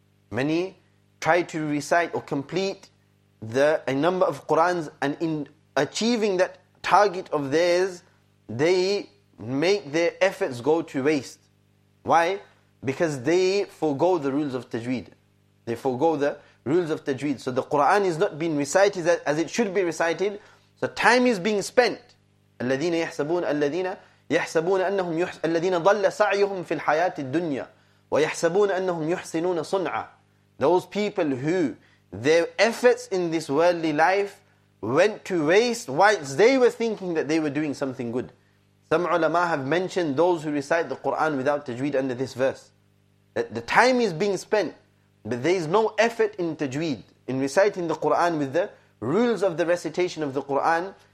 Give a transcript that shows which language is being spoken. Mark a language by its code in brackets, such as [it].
[en] Many try to recite or complete a number of Qur'ans, and in achieving that target of theirs, they make their efforts go to waste. Why? Because they forego the rules of tajweed. They forego the rules of tajweed. So the Qur'an is not being recited as it should be recited. So time is being spent. [ar] الَّذِينَ يَحْسَبُونَ الَّذِينَ يحسبون أنهم الذين ضل سعيهم في الحياة الدنيا ويحسبون أنهم يحسنون صنعة. [en] Those people who their efforts in this worldly life went to waste whilst they were thinking that they were doing something good. Some ulama have mentioned those who recite the Quran without tajweed under this verse, that the time is being spent, but there is no effort in tajweed, in reciting the Quran with the rules of the recitation of the Quran.